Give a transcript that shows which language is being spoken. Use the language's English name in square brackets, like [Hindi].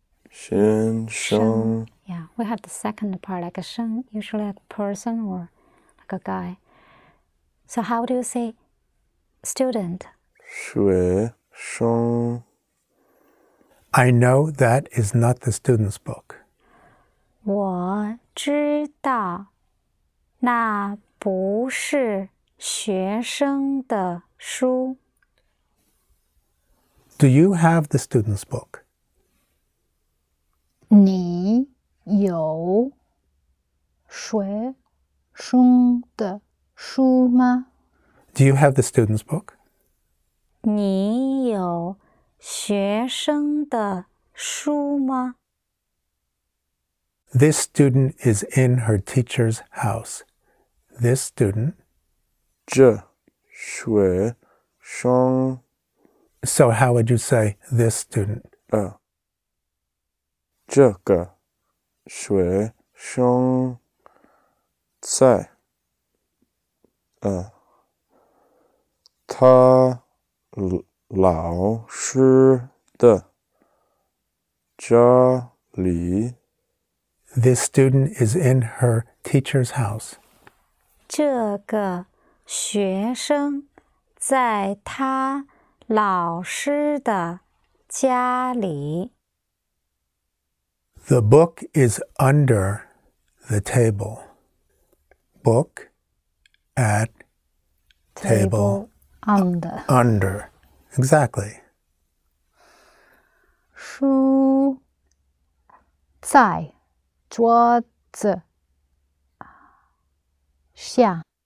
[Chinese] 先生。 [English] Yeah, we have the second part, like a 生, usually like a person or like a guy. So how do you say student? [Chinese] 学生。 [English] I know that is not the student's book. [Chinese] 我知道那不是学生的书。 [English] Do you have the student's book? [Chinese] 你有学生的书吗? [English] Do you have the student's book? [Chinese] 你有学生的书吗? [English] This student is in her teacher's house. This student. [Chinese] 这学生。 [English] So how would you say this student? [Chinese] 这个学生在他老师的家里。 [English] This student is in her teacher's house. [Chinese] 这个学生在他老师的家里。 [English] The book is under the table. Book at table, table under. Under. Exactly. [Chinese] 书在桌子下。